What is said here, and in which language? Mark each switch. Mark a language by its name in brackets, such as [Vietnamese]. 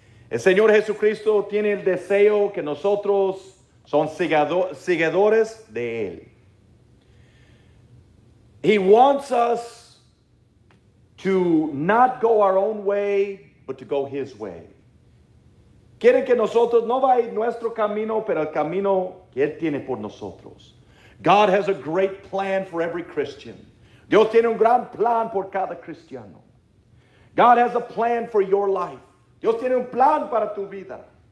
[Spanish] El Señor Jesucristo tiene el deseo que nosotros son seguidores de Él. [English] He wants us to not go our own way, but to go His way. [Spanish] Quiere que nosotros no vaya nuestro camino, pero el camino que Él tiene por nosotros. [English] God has a great plan for every Christian. [Spanish] Dios tiene un gran plan por cada cristiano. [English] God has a plan for your life. [Spanish] Dios tiene un plan para tu vida.